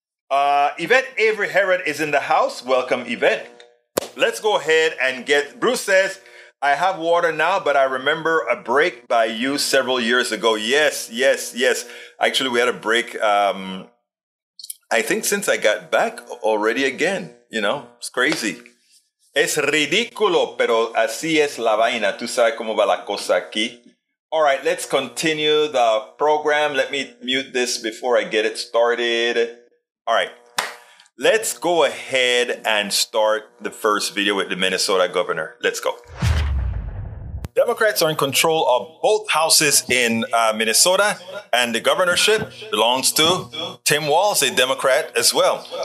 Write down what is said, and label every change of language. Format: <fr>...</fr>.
<en>Yvette Avery Herod is in the house. Welcome, Yvette. Let's go ahead and get, Bruce says, I have water now, but I remember a break by you several years ago. Yes. Actually, we had a break, I think since I got back already again. You know, it's crazy.</en> <es>Es ridículo, pero así es la vaina. Tú sabes cómo va la cosa aquí.</es> <en>All right, let's continue the program. Let me mute this before I get it started. All right, let's go ahead and start the first video with the Minnesota governor. Let's go. Democrats are in control of both houses in Minnesota, and the governorship belongs to Tim Walz, a Democrat as well.</en>